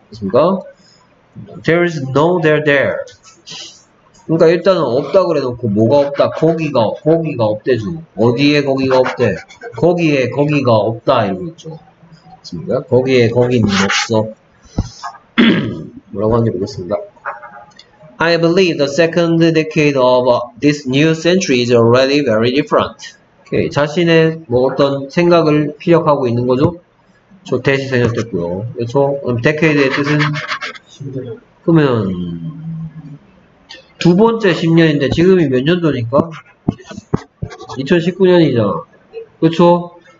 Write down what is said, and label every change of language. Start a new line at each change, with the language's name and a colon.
Korean: 그렇습니까?
English: There is no there there.
Korean: 그러니까 일단은 없다 그래놓고 뭐가 없다? 거기가 없대죠. 어디에 거기가 없대? 거기에 거기가 없다 이러고 있죠. 그렇습니까? 거기에 거기는 없어. 뭐라고 하는지 모르겠습니다.
English: I believe the second decade of this new century is already very different. Okay.
Korean: 자신의 뭐 어떤 생각을 피력하고 있는 거죠? 저 대시 생략됐고요. 그래서 decade의 뜻은 그러면 두 번째 10년인데 지금이 몇 년도니까? 2019년이잖아. 그렇죠?